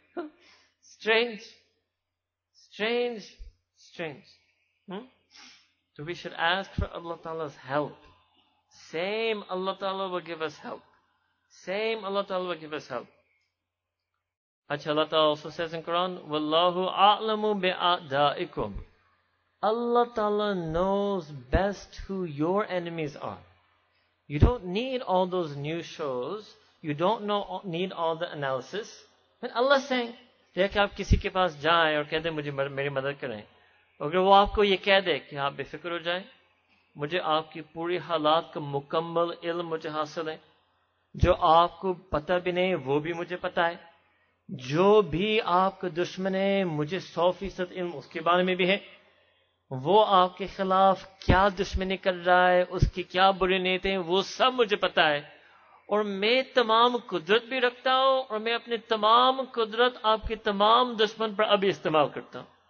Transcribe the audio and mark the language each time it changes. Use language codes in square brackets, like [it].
[en] Strange, strange, strange. تو we should ask for اللہ تعالیٰ's help. Same Allah Ta'ala will give us help. Same Allah Ta'ala will give us help. Acha, Allah Ta'ala also says in Quran, [ar] وَاللَّهُ أَعْلَمُ بِأَعْدَائِكُمْ. [en] Allah Ta'ala knows best who your enemies are. You don't need all those news shows. You don't need all the analysis. But Allah is saying, [ur] دیکھ آپ کسی کے پاس جائیں اور کہہ دیں مجھے میری مدد کریں. اگر وہ آپ کو یہ کہہ دے کہ آپ بے فکر ہو جائیں, مجھے آپ کی پوری حالات کا مکمل علم مجھے حاصل ہے, جو آپ کو پتہ بھی نہیں وہ بھی مجھے پتا ہے, جو بھی آپ کا دشمن ہے مجھے 100% علم اس کے بارے میں بھی ہے, وہ آپ کے خلاف کیا دشمنی کر رہا ہے, اس کی کیا بری نیتیں, وہ سب مجھے پتا ہے, اور میں تمام قدرت بھی رکھتا ہوں اور میں اپنی تمام قدرت آپ کے تمام دشمن پر ابھی استعمال کرتا ہوں.